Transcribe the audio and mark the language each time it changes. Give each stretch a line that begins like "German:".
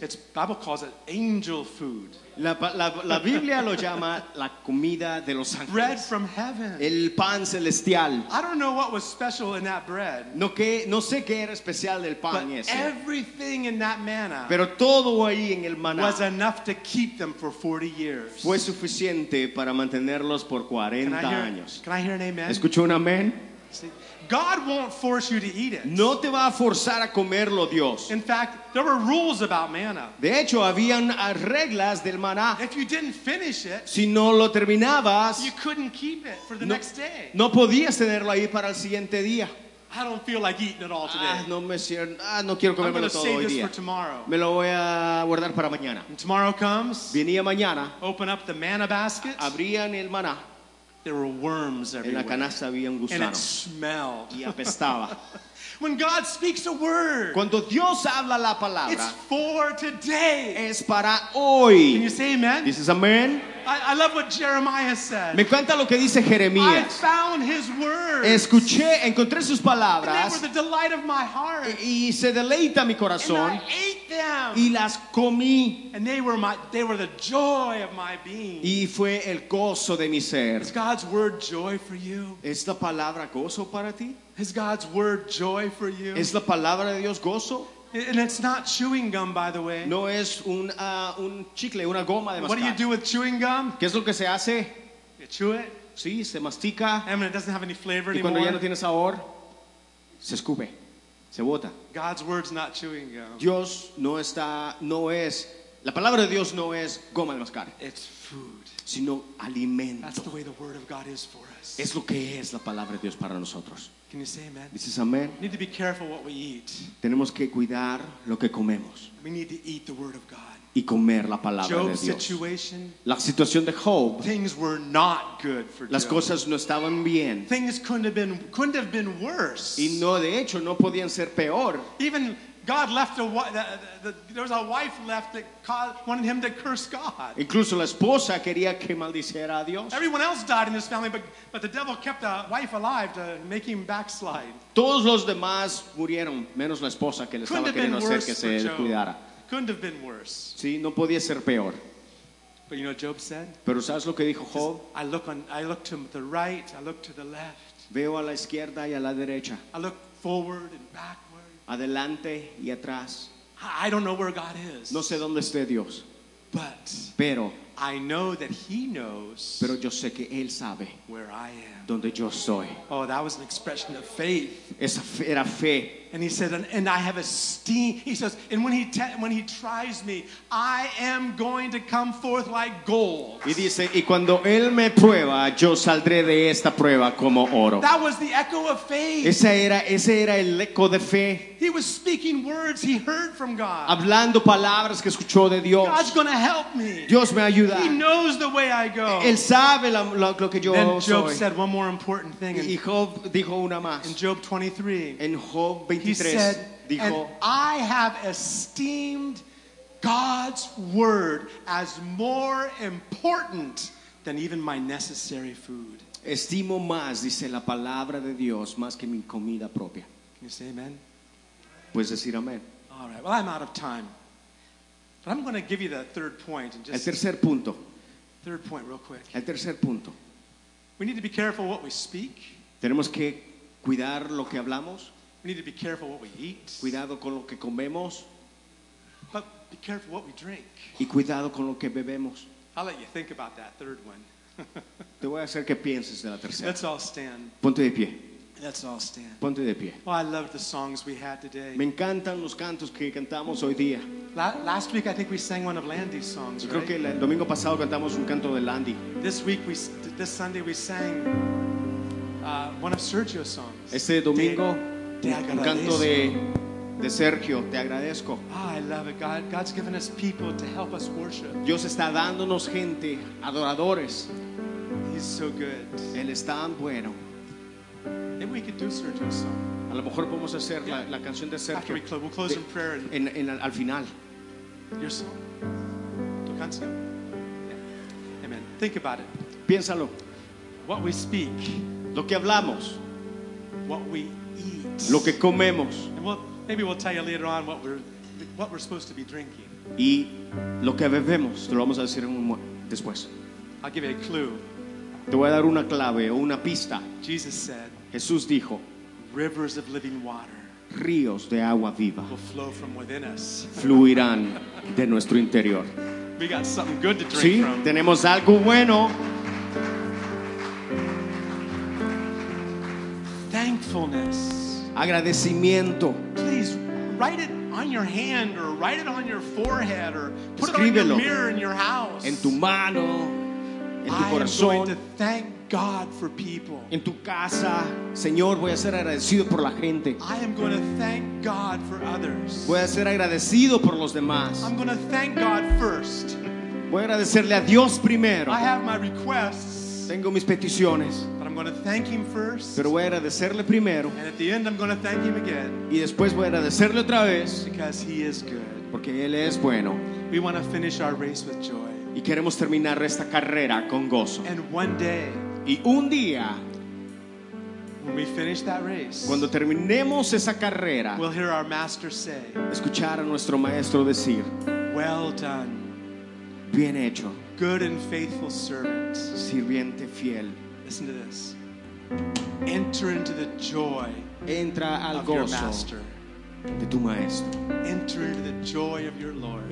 English: It's Bible calls it angel food.
Spanish: La Biblia lo llama la comida de los ángeles.
English: Bread from heaven.
Spanish: El pan celestial.
English: I don't know what was special in that bread.
Spanish: No sé qué era especial del pan
English: but
Spanish: ese.
English: Everything in that manna.
Spanish: Pero todo ahí en el maná.
English: Was enough to keep them for 40 years.
Spanish: Fue suficiente para mantenerlos por 40 años.
English: Can I hear an amen?
Spanish: ¿Escuchó un amén?
English: God won't force you to eat it.
Spanish: No te va a forzar a comerlo, Dios.
English: In fact, there were rules about manna.
Spanish: De hecho, habían reglas del maná.
English: If you didn't finish it,
Spanish: si no lo terminabas,
English: you couldn't keep it for the next day.
Spanish: No podías tenerlo ahí para el siguiente día.
English: I don't feel like eating it all today.
Spanish: No quiero comérmelo todo hoy día.
English: I'm going to save this for tomorrow.
Spanish: Me lo voy a guardar para mañana.
English: When tomorrow comes.
Spanish: Venía mañana.
English: Open up the manna basket.
Spanish: Abrían el maná.
English: There were worms everywhere.
Spanish: En la canasta había un gusano.
English: And it smelled.
Spanish: Y apestaba.
English: When God speaks a word.
Spanish: Cuando Dios habla la palabra.
English: It's for today.
Spanish: Es para hoy.
English: Can you say amen? This is amen. I love what Jeremiah said.
Spanish: Me encanta lo que dice Jeremías.
English: I found his words.
Spanish: Escuché, encontré sus palabras.
English: And they were the delight of my heart.
Spanish: Y se deleita mi corazón.
English: And I ate them.
Spanish: Y las comí.
English: And they were the joy of my being.
Spanish: Y fue el gozo de mi ser.
English: Is God's word joy for you?
Spanish: ¿Es la palabra gozo para ti?
English: Is God's word joy for you?
Spanish: ¿Es la palabra de Dios gozo?
English: And it's not chewing gum, by the way.
Spanish: No es un chicle, una goma de mascar.
English: What do you do with chewing gum?
Spanish: ¿Qué es lo que se hace?
English: You chew it.
Spanish: Sí, se mastica.
English: And when it doesn't have any flavor anymore.
Spanish: Y cuando
English: anymore,
Spanish: ya no tiene sabor, se escupe, se bota.
English: God's word's not chewing gum.
Spanish: Dios no está, no es, la palabra de Dios no es goma de mascar.
English: It's food.
Spanish: Sino alimento.
English: That's the way the word of God is for us.
Spanish: Es lo que es la palabra de Dios para nosotros.
English: Can you say amen?
Spanish: Dices amén.
English: We need to be careful what we eat.
Spanish: Tenemos que cuidar lo que comemos.
English: We need to eat the word of God.
Spanish: Y comer la palabra
English: Job's
Spanish: de Dios.
English: Situation,
Spanish: la situación de Job.
English: Things were not good for Job.
Spanish: Las cosas no estaban bien.
English: Things couldn't have been worse.
Spanish: Y no, de hecho, no podían ser peor.
English: Even God left there was a wife left that wanted him to curse God.
Spanish: Incluso la esposa quería que maldiciera a Dios.
English: Everyone else died in this family, but the devil kept the wife alive to make him backslide.
Spanish: Todos los demás murieron, menos la esposa que le estaba queriendo hacer que se cuidara.
English: Couldn't have been worse.
Spanish: Sí, no podía ser peor.
English: But you know what Job said?
Spanish: Pero ¿sabes lo que dijo Job?
English: I look to the right, I look to the left.
Spanish: Veo a la izquierda y a la derecha.
English: I look forward and back.
Spanish: Adelante y atrás.
English: I don't know where God is.
Spanish: No sé dónde esté Dios.
English: But
Spanish: pero
English: I know that he knows.
Spanish: Pero yo sé que él sabe
English: where I am.
Spanish: Dónde yo soy.
English: Oh, that was an expression of faith.
Spanish: Esa era fe.
English: And he said, and I have esteem. He says, and when he tries me, I am going to come forth like gold.
Spanish: Y dice, y cuando él me prueba, yo saldré de esta prueba como oro.
English: That was the echo of faith.
Spanish: Ese era el eco de fe.
English: He was speaking words he heard from God.
Spanish: Hablando palabras que escuchó de Dios.
English: God's going to help me.
Spanish: Dios me ayuda.
English: He knows the way I go.
Spanish: Él sabe lo que yo
English: then
Spanish: soy.
English: Job said one more important thing.
Spanish: Y Job dijo una más.
English: In Job 23.
Spanish: En Job 23,
English: he said,
Spanish: dijo,
English: and I have esteemed God's word as more important than even my necessary food.
Spanish: Estimo más, dice la palabra de Dios, más que mi comida propia.
English: Can you say amen?
Spanish: Puedes decir amén.
English: All right, well, I'm out of time. But I'm going to give you the third point. And just
Spanish: el tercer punto.
English: Third point, real quick.
Spanish: El tercer punto.
English: We need to be careful what we speak.
Spanish: Tenemos que cuidar lo que hablamos.
English: We need to be careful what we eat.
Spanish: Cuidado con lo que comemos.
English: But be careful what we drink.
Spanish: Y cuidado con lo que bebemos.
English: I'll let you think about that third one.
Spanish: Te voy a hacer que pienses de la tercera.
English: Let's all stand.
Spanish: Ponte de pie.
English: Let's all stand.
Spanish: Ponte de pie.
English: Well, I love the songs we had today.
Spanish: Me encantan los cantos que cantamos hoy día.
English: Last week I think we sang one of Landy's songs.
Spanish: Creo
English: right?
Spanish: que el domingo pasado cantamos un canto de Landy.
English: This Sunday we sang one of Sergio's songs.
Spanish: Este domingo. Un canto de Sergio, te agradezco.
English: Oh, I love it. God's given us people to help us worship.
Spanish: Dios está dándonos gente, adoradores.
English: He's so good.
Spanish: Él es tan bueno.
English: Maybe we could do Sergio's song.
Spanish: A lo mejor podemos hacer la canción de Sergio.
English: After we'll close in prayer.
Spanish: Al final.
English: Your song.
Spanish: Tu canción.
English: Yeah. Amen. Think about it.
Spanish: Piénsalo.
English: What we speak.
Spanish: Lo que hablamos.
English: What we eat.
Spanish: Lo que comemos.
English: And maybe we'll tell you later on what we're supposed to be drinking.
Spanish: Y lo que bebemos, te lo vamos a decir después.
English: I'll give you a clue.
Spanish: Te voy a dar una clave o una pista.
English: Jesus said,
Spanish: Jesús dijo,
English: rivers of living water,
Spanish: ríos de agua viva,
English: will flow from within us.
Spanish: Fluirán de nuestro interior.
English: We got something good to drink.
Spanish: Sí,
English: from.
Spanish: Tenemos algo bueno.
English: Thankfulness.
Spanish: Agradecimiento.
English: Please write it on your hand or write it on your forehead or put
Spanish: Escríbelo
English: it on your mirror in your house.
Spanish: En tu mano, en tu
English: I
Spanish: corazón.
English: Am going to thank God for people.
Spanish: En tu casa, Señor, voy a ser agradecido por la gente.
English: I am going to thank God for others.
Spanish: Voy a ser agradecido por los demás.
English: I'm going to thank God first.
Spanish: Voy a agradecerle a Dios primero.
English: I have my requests.
Spanish: Tengo mis peticiones.
English: I'm going to thank him first.
Spanish: Pero voy a agradecerle primero.
English: And at the end I'm going to thank him again.
Spanish: Y después voy a agradecerle otra vez.
English: Because he is good.
Spanish: Porque él es bueno.
English: We want to finish our race with joy.
Spanish: y queremos terminar esta carrera con gozo.
English: And one day,
Spanish: y un día,
English: when we finish that race,
Spanish: cuando terminemos esa carrera,
English: we'll hear our master say,
Spanish: escuchar a nuestro maestro decir,
English: well done,
Spanish: bien hecho,
English: good and faithful servant,
Spanish: sirviente fiel.
English: Listen to this. Enter into the joy
Spanish: entra al
English: of
Spanish: gozo
English: your master.
Spanish: De tu maestro.
English: Enter into the joy of your Lord.